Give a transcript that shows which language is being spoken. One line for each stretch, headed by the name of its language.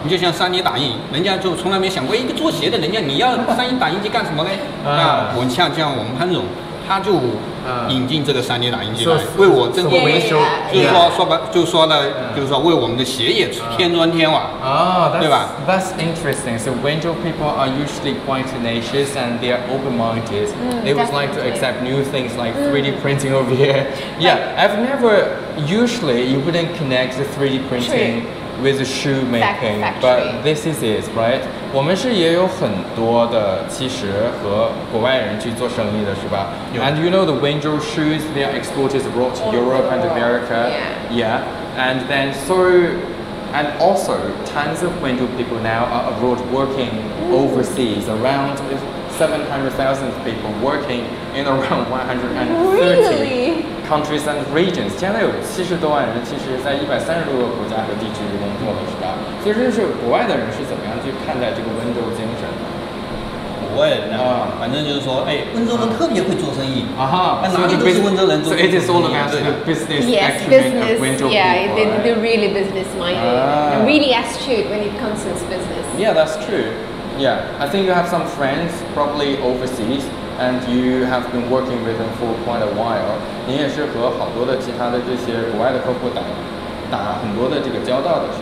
Chinese: 你就像 3D 打印，人家就从来没想过，一个做鞋的人家，你要 3D 打印机干什么呢？那我像这样，我们潘总。他就引进这个 3D 打印机来，为我增添维修，就是说为我们的鞋也添砖添瓦，对吧
English: ？That's interesting. So Wenzhou people are usually quite tenacious and they are open-minded. They would like to accept new things like 3D printing over here. Yeah, I've never. Usually, you wouldn't connect the 3D printing with the shoemaking, but this is it, right?
Chinese: 我们是也有很多的，其实和国外人去做生意的，是吧
English: ？And you know the Wenzhou shoes, they are exported abroad to Europe and America. Yeah. And then and also tons of Wenzhou people now are abroad working overseas. Around 700,000 people working in around 130 countries and regions.
Chinese: 现在有70多万人，其实在130多个国家和地区工作了，是吧？其实就是国外的人是怎么样去看待这个温州精神的？国外人反正就是说，温州人特别会做生意啊哈，哪里都是温州人做生意。
English: So it is all about the business acumen of Wenzhou people. Yeah, they're really business minded, really astute when it comes to this business. Yeah, that's true. Yeah, I think you have some friends probably overseas, and you have been working with them for quite a while.
Chinese: 你也是和好多的其他的这些国外的客户打很多的这个交道的。